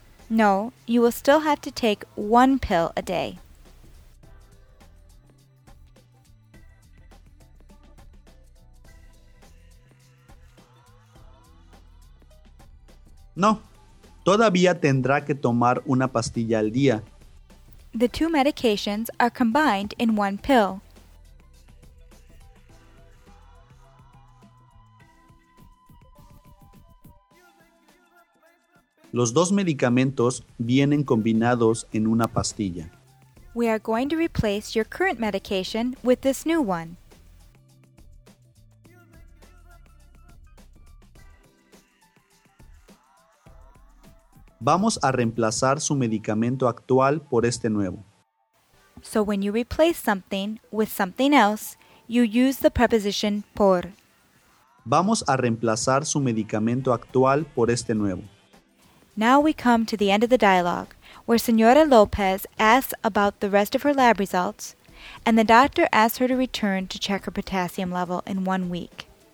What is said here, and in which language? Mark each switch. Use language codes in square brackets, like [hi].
[en] No, you will still have to take one pill a day. [es] No, todavía tendrá que tomar una pastilla al día. [en] The two medications are combined in one pill. [es] Los dos medicamentos vienen combinados en una pastilla. [en] We are going to replace your current medication with this new one. [es] Vamos a reemplazar su medicamento actual por este nuevo. [en] So when you replace something with something else, you use the preposition por. [es] Vamos a reemplazar su medicamento actual por este nuevo. [en] Now we come to the end of the dialogue, where Señora López asks about the rest of her lab results, and the doctor asks her to return to check her potassium level in 1 week.